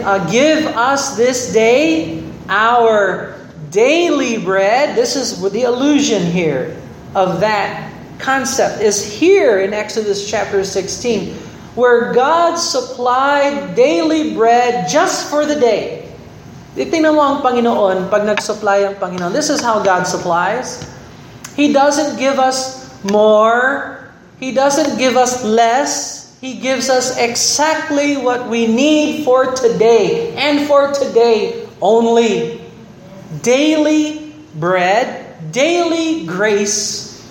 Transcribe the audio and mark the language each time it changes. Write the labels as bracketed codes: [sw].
[en] Give us this day our daily bread. This is the allusion here of that concept is here in Exodus chapter 16, where God supplied daily bread just for the day. [tl] Tingnan mo ang Panginoon, pag nag-supply ang Panginoon. [en] This is how God supplies. He doesn't give us more. He doesn't give us less. He gives us exactly what we need for today. And for today only. Daily bread, daily grace.